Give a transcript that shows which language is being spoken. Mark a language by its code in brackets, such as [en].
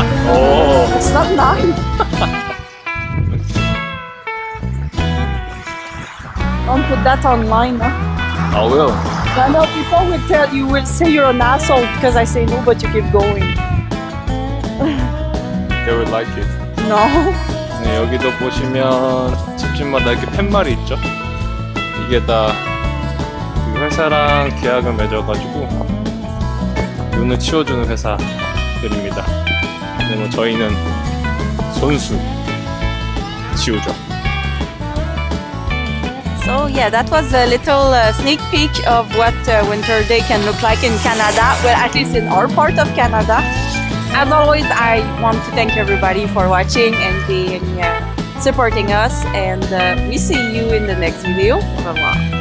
[en] Oh. It's not nice. [ko] 아, 왜요? [en] I know people will tell you, will say you're an asshole because I say no, but you keep going. They would like it. No. [ko] 네, 여기도 보시면 집집마다 이렇게 팻말이 있죠. 이게 다 회사랑 계약을 맺어가지고 눈을 치워주는 회사들입니다. 근데 뭐 저희는 손수 치우죠. [en] So yeah, that was a little sneak peek of what winter day can look like in Canada, well, at least in our part of Canada. As always, I want to thank everybody for watching and being supporting us, and we see you in the next video. [fr] Au revoir.